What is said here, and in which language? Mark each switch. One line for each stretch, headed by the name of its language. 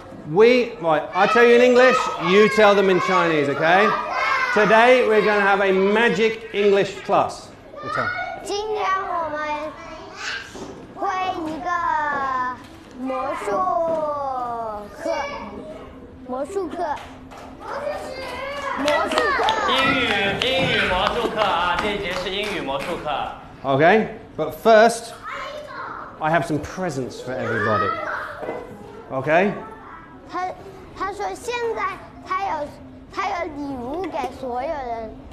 English: Right, I tell you in English, you tell them in Chinese, okay? Today, we're going to have a magic English class. Okay.
Chinese: 今天我们会一个魔术课。魔术课。魔术课。英语魔术课啊，这节是英语魔术课。
English: Okay, but first, I have some presents for everybody. Okay?
Chinese: 他说现在他有礼物给所有人。